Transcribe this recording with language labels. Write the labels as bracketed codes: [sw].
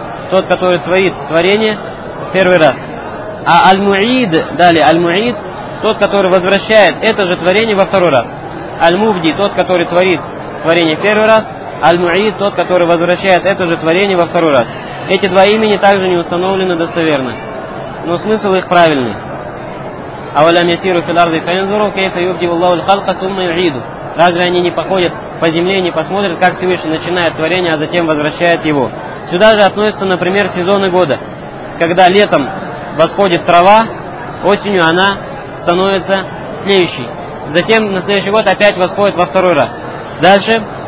[ru] Тот, который творит творение в первый раз. А Аль-Муид, далее Аль-Муид, тот, который возвращает это же творение во второй раз. Аль-Мубди, тот, который творит творение в первый раз. Аль-Муид, тот, который возвращает это же творение во второй раз. Эти два имени также не установлены достоверно. Но смысл их правильный. [ar] أولم يسيروا في الأرض فينظروا كيف يبدئ الله الخلق ثم يعيده. [ru] Разве они не походят по земле и не посмотрят, как Всевышний начинает творение, а затем возвращает его? Сюда же относятся, например, сезоны года, когда летом восходит трава, осенью она становится тлеющей. Затем на следующий год опять восходит во второй раз. Дальше.